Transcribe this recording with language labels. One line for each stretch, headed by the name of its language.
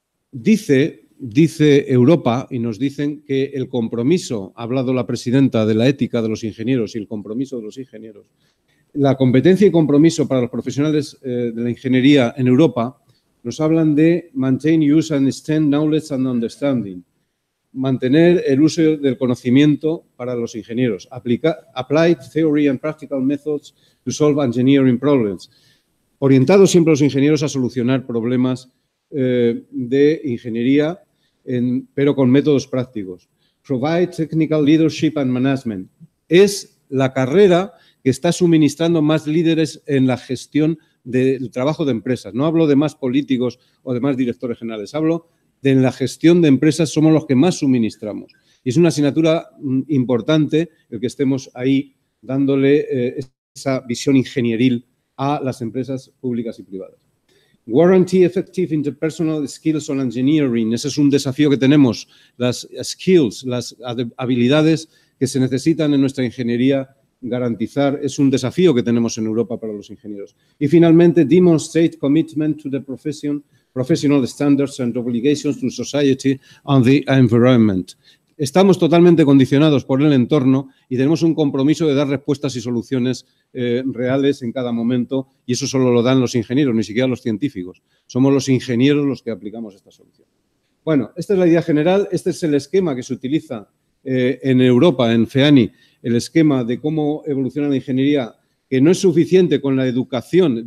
Spanish: Dice Europa y nos dicen que el compromiso, ha hablado la presidenta de la ética de los ingenieros y el compromiso de los ingenieros, la competencia y compromiso para los profesionales de la ingeniería en Europa, nos hablan de
English: maintain, use and extend knowledge and understanding.
Spanish: Mantener el uso del conocimiento para los ingenieros.
English: Applied theory and practical methods to solve engineering problems.
Spanish: Orientados siempre los ingenieros a solucionar problemas de ingeniería, pero con métodos prácticos.
English: provide technical leadership and management.
Spanish: Es la carrera que está suministrando más líderes en la gestión del trabajo de empresas. No hablo de más políticos o de más directores generales, hablo de en la gestión de empresas somos los que más suministramos. Y es una asignatura importante el que estemos ahí dándole esa visión ingenieril a las empresas públicas y privadas.
English: Warranty effective interpersonal skills on engineering.
Spanish: Ese es un desafío que tenemos. Las skills, las habilidades que se necesitan en nuestra ingeniería garantizar, es un desafío que tenemos en Europa para los ingenieros. Y finalmente,
English: demonstrate commitment to the profession, professional standards and obligations to society and the environment.
Spanish: Estamos totalmente condicionados por el entorno y tenemos un compromiso de dar respuestas y soluciones reales en cada momento, y eso solo lo dan los ingenieros, ni siquiera los científicos. Somos los ingenieros los que aplicamos esta solución. Bueno, esta es la idea general, este es el esquema que se utiliza en Europa, en FEANI, el esquema de cómo evoluciona la ingeniería, que no es suficiente con la educación.